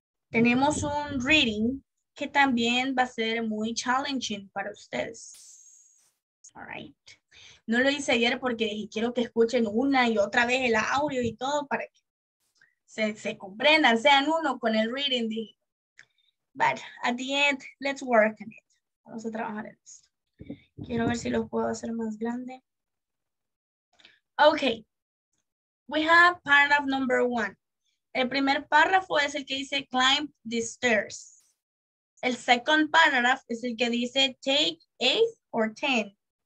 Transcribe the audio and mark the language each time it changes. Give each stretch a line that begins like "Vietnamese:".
Spanish: Tenemos un reading que también va a ser muy challenging para ustedes.
English: All right.
Spanish: No lo hice ayer porque dije, quiero que escuchen una y otra vez el audio y todo para que se comprendan, sean uno con el reading.
English: But at the end, let's work on it.
Spanish: Vamos a trabajar en esto. Quiero ver si lo puedo hacer más grande.
English: Okay. We have paragraph number one.
Spanish: El primer párrafo es el que dice
English: climb the stairs.
Spanish: El second paragraph es el que dice
English: take 8 or 10.